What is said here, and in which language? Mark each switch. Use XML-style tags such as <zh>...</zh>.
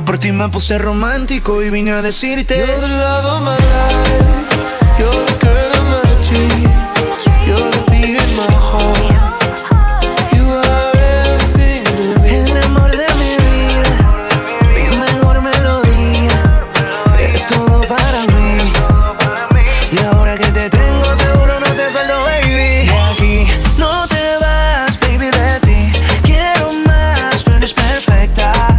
<es>Me puse romántico y vine a decirte.</es> <en>You're the love of my life. You're the girl of my dreams. You're the beat in my heart. You are everything to me.</en> <es>El amor de mi vida, mi mejor melodía. Eres todo para mí. Y ahora que te tengo, te juro no te suelto, baby. De aquí no te vas, baby, de ti. Quiero más, tú eres perfecta.</es>